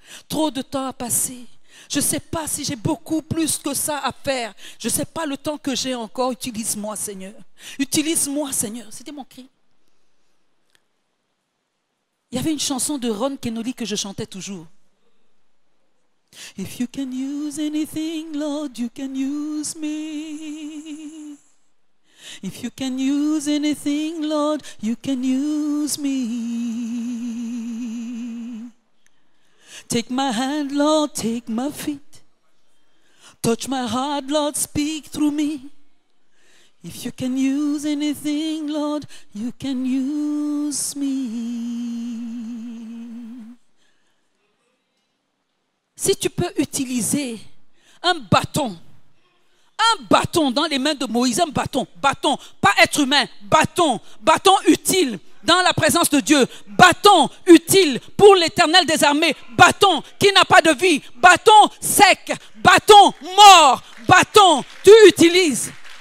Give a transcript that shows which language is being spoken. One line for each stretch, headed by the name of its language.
French: Trop de temps a passé. Je ne sais pas si j'ai beaucoup plus que ça à faire. Je ne sais pas le temps que j'ai encore. Utilise-moi, Seigneur. Utilise-moi, Seigneur. C'était mon cri. Il y avait une chanson de Ron Kenoly que je chantais toujours.
English: If you can use anything, Lord, you can use me. If you can use anything, Lord, you can use me. Take my hand, Lord, take my feet. Touch my heart, Lord, speak through me. If you can use anything, Lord, you can use me.
French: Si tu peux utiliser un bâton dans les mains de Moïse, un bâton, bâton, pas être humain, bâton, bâton utile dans la présence de Dieu, bâton utile pour l'Éternel des armées, bâton qui n'a pas de vie, bâton sec, bâton mort, bâton, tu utilises.